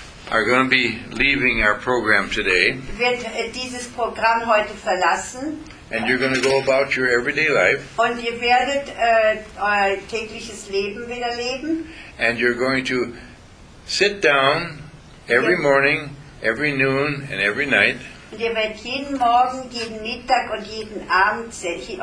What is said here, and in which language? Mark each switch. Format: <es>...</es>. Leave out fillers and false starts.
<en>are going to be leaving our program today.</en> <de>Wird dieses Programm heute verlassen.</de> <en>And you're going to go about your everyday life.</en> <de>Und ihr werdet euer tägliches Leben wieder leben.</de> <en>And you're going to sit down every morning, every noon, and every night.</en> <de>Und ihr werdet jeden Morgen, jeden Mittag und jeden Abend euch hinsetzen.</de>